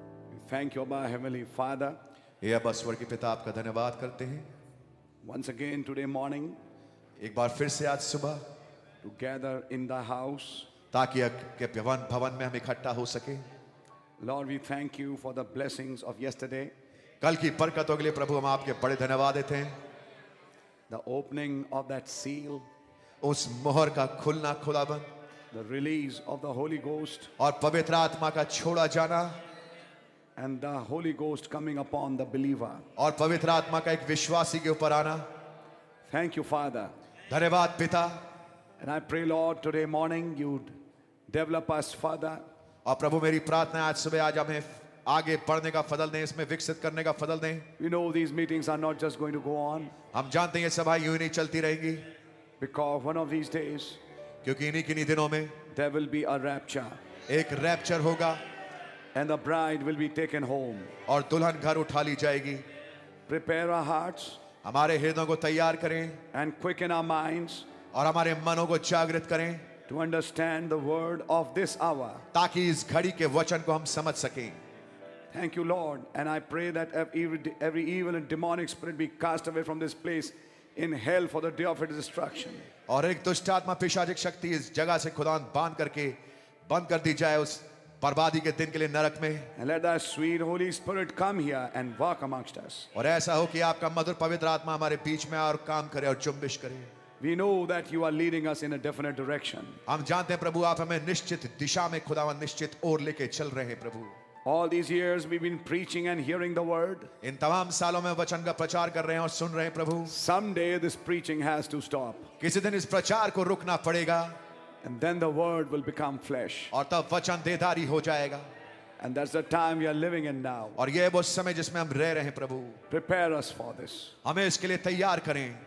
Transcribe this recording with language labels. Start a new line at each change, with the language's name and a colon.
English: We thank you, Abba, Heavenly Father.
Hindi: ये अब स्वर्ग के पिता आपका धन्यवाद करते हैं.
English: Once again today morning.
Hindi: एक बार फिर से आज सुबह.
English: To gather in the house.
Hindi: ताकि के भवन में हम इकट्ठा हो सके.
English: Lord, we thank you for the blessings of yesterday.
Hindi: कल की बरकतों के लिए प्रभु हम आपके बड़े धन्यवाद देते हैं.
English: The opening of that seal.
Hindi: उस मोहर का खुलना खुलावन.
English: The release of the Holy Ghost.
Hindi: और पवित्र आत्मा का छोड़ा जाना.
English: And the Holy Ghost coming upon the believer.
Hindi: और पवित्र आत्मा का एक विश्वासी के ऊपर आना.
English: Thank you, Father.
Hindi: धन्यवाद पिता.
English: And I pray, Lord, today morning you'd develop us, Father.
Hindi: और प्रभु मेरी प्रार्थना आज सुबह आज हमें आगे पढ़ने का फदल दें, इसमें विकसित करने का फदल दें.
English: We know these meetings are not just going to go on.
Hindi: हम जानते हैं ये सभा यूं ही चलती रहेंगी.
English: Because one of these days.
Hindi: क्योंकि इन्हीं किन्हीं दिनों में.
English: There will be a rapture.
Hindi: एक रैप्चर होगा.
English: And the bride will be taken home.
Hindi: और दुल्हन घर उठा ली जाएगी.
English: Prepare our hearts.
Hindi: हमारे हृदयों को तैयार करें.
English: And quicken our minds.
Hindi: और हमारे मनों को जागृत करें.
English: To understand the word of this hour.
Hindi: ताकि इस घड़ी के वचन को हम समझ सकें.
English: Thank you, Lord, and I pray that every evil and demonic spirit be cast away from this place in hell for the day of its destruction.
Hindi: और एक दुष्ट आत्मा पिशाचिक शक्ति इस जगह से खुदा बांध करके बंद कर दी जाए उस बर्बादी के दिन के लिए नरक में.
English: And let that sweet Holy Spirit come here and walk amongst us.
Hindi: और ऐसा हो कि आपका मधुर पवित्र आत्मा हमारे बीच में आए और काम करे और जुम्बिश करे.
English: We know that you are leading us in a definite direction.
Hindi: हम जानते हैं प्रभु आप हमें निश्चित दिशा में खुदावन निश्चित ओर लेके चल रहे हैं प्रभु.
English: All these years we've been preaching and hearing the word.
Hindi: इन तमाम सालों में वचन का प्रचार कर रहे हैं और सुन रहे हैं प्रभु.
English: Someday this preaching has to stop.
Hindi: किसी दिन इस प्रचार को रुकना पड़ेगा.
English: And then the word will become flesh.
Hindi: और तब वचन देहधारी हो जाएगा.
English: And that's the time we are living in now.
Hindi: और ये वो समय जिसमें हम रह रहे हैं प्रभु.
English: Prepare us for this.
Hindi: हमें इसके लिए तैयार करें.